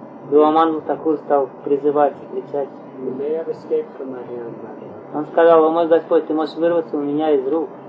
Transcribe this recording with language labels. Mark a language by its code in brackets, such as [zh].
[ru] Дуамангал Такур стал призывать, кричать. [en] You may have escaped from my hand, my brother. [ru] Он сказал, о мой Господь, ты можешь вырваться у меня из рук.